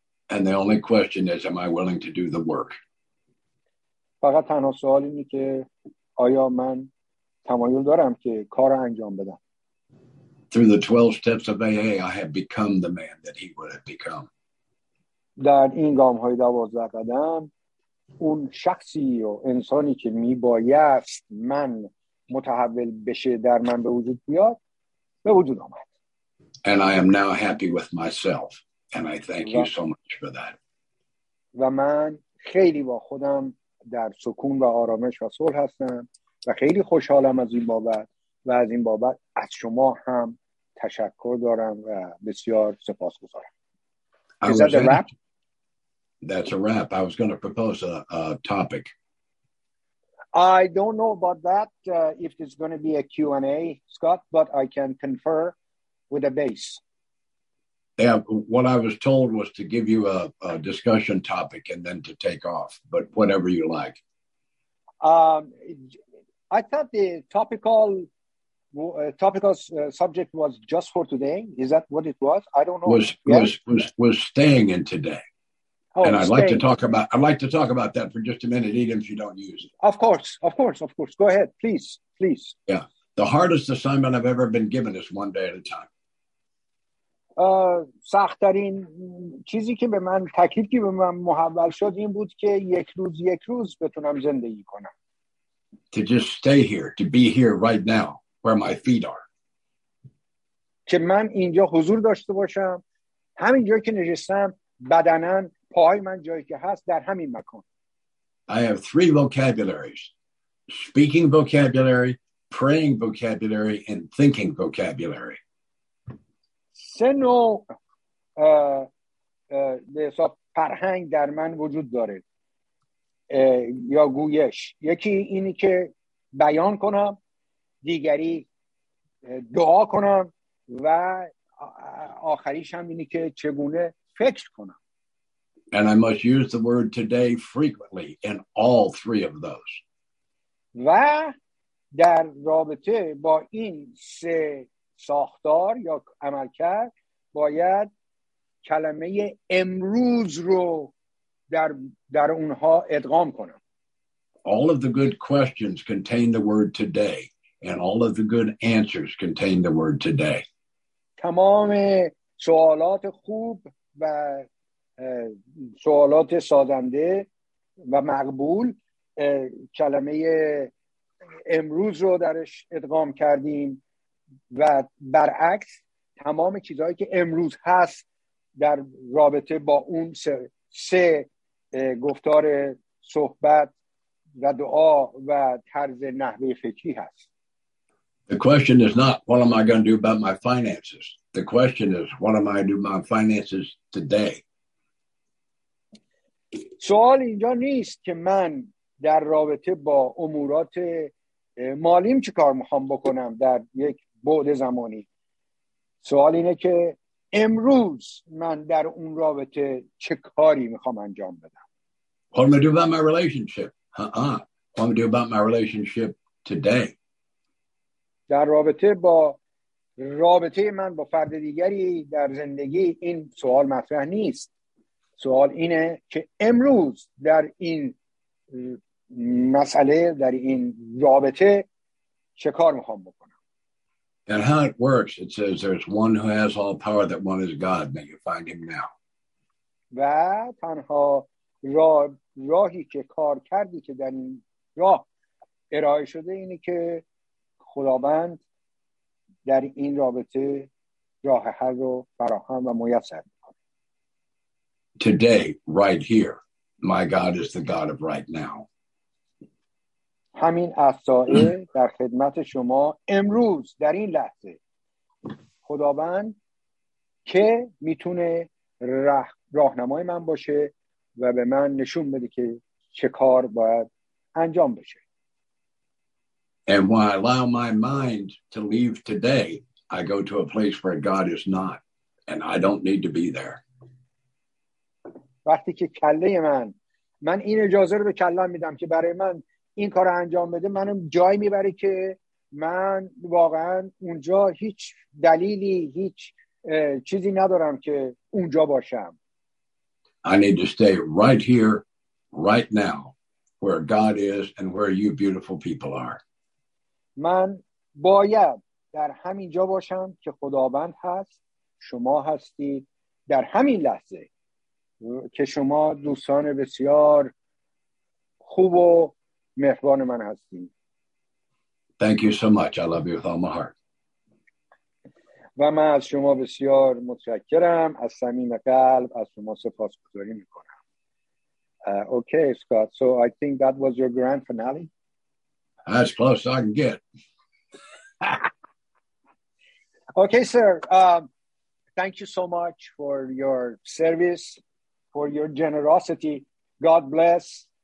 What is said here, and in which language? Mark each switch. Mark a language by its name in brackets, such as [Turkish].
[English] And the only question is, am I willing to do the work? [Persian] فقط تنها سوال اینه که آیا من تمایل دارم که کار انجام بدم. [English] Through the 12 steps of AA, I have become the man that he would have become. [Persian] در این گام های 12 قدم اون شخصی و انسانی که می بایست من متحول بشه در من به وجود بیاد به وجود آمد. [English] And I am now happy with myself and I thank you so much for that. [Persian] و من خیلی با خودم در سکون و آرامش و صلح هستم و خیلی خوشحالم از این بابت و از این بابت از شما هم تشکر دارم و بسیار سپاسگزارم. [English] That's a wrap. I was going to propose a topic. I don't know about that, if it's going to be a Q&A, Scott, but I can confer with a base. Yeah, what I was told was to give you a discussion topic and then to take off, but whatever you like. I thought the topical topic was subject was just for today. Is that what it was? I don't know. Was staying in today. Oh, and I'd like to talk about that for just a minute, even if you don't use it. Of course. Go ahead, please. Yeah, the hardest assignment I've ever been given is one day at a time. [Persian] سخت‌ترین چیزی که به من تکلیف که به من محول شد این بود که یک روز بتونم زندگی کنم. [English] To just stay here, to be here right now, where my feet are. [Persian] که من اینجا حضور داشته باشم، همین جایی که نشستم، بدنن پای من جایی که هست در همین مکان. [English] I have three vocabularies: speaking vocabulary, praying vocabulary, and thinking vocabulary. [Persian] سه نوع به حساب فرهنگ در من وجود داره یا گویش. یکی اینی که بیان کنم، دیگری دعا کنم و آخریش هم اینی که چگونه فکر کنم. [English] And I must use the word today frequently in all three of those. [Persian] و در رابطه با این سه ساختار یا عملکرد باید کلمه امروز رو در اونها ادغام کنم. [English] All of the good questions contain the word today, and all of the good answers contain the word today. [Persian] تمام سوالات خوب و سوالات سازنده و مقبول کلمه امروز رو درش ادغام کردیم و برعکس تمام چیزهایی که امروز هست در رابطه با اون سه گفتار صحبت و دعا و طرز نحوه فکری هست. [English] The question is not what am I going to do about my finances. The question is what am I going to do about my finances today. [Persian] سوال اینجا نیست که من در رابطه با امورات مالیم چه کار میخوام بکنم در یک بعد زمانی. سوال اینه که امروز من در اون رابطه چه کاری میخوام انجام بدم. [English] What am I doing about my relationship? What am I doing about my relationship today? [Persian] در رابطه با رابطه من با فرد دیگری در زندگی این سوال مطرح نیست. سوال اینه که امروز در این مسئله در این رابطه چه کار میخوام بکنم. [English] And how it works, it says there's one who has all power, that one is God. May you find him now. [Persian] و تنها راهی که کار کردی که در این راه ارائه شده اینه که خداوند در این رابطه راه حل رو فراهم و میسر میکنه. [English] Today, right here, my God is the God of right now. [Persian] همین اصلاً در خدمت شما امروز در این لحظه خداوند که میتونه راهنمای من باشه و به من نشون بده که چه کار باید انجام بشه. [English] And when I allow my mind to leave today, I go to a place where God is not, and I don't need to be there. [Persian] وقتی که کله من این اجازه رو به کلم میدم که برای من این کار انجام بده، منو جایی میبره که من واقعا اونجا هیچ دلیلی هیچ چیزی ندارم که اونجا باشم. [English] I need to stay right here, right now, where God is and where you beautiful people are. [Persian] من باید در همین جا باشم که خداوند هست، شما هستید، در همین لحظه که شما دوستان بسیار خوب و مهربان من هستیم. [English] Thank you so much. I love you with all my heart. [Persian] و من از شما بسیار متشکرم. از صمیم قلب از شما سپاسگزاری میکنم. [English] Okay, Scott. So I think that was your grand finale. As close as I can get. Okay, sir. Thank you so much for your service, for your generosity. God bless.